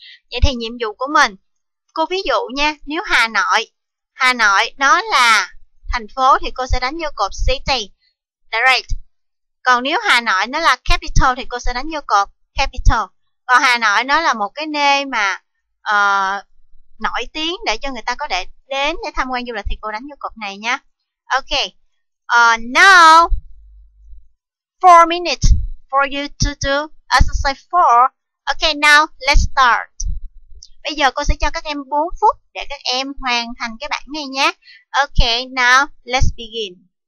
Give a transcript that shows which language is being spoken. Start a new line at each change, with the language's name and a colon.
Vietnamese: Vậy thì nhiệm vụ của mình, cô ví dụ nha, nếu Hà Nội nó là thành phố thì cô sẽ đánh vô cột city.
English: Right.
Vietnamese: Còn nếu Hà Nội nó là capital thì cô sẽ đánh vô cột capital. Còn Hà Nội nó là một cái nơi mà nổi tiếng để cho người ta có thể đến để tham quan du lịch thì cô đánh vô cột này nha.
English: Ok, now 4 minutes for you to do exercise 4. Ok, now let's start.
Vietnamese: Bây giờ cô sẽ cho các em 4 phút để các em hoàn thành cái bảng này nhé.
English: Ok, now let's begin.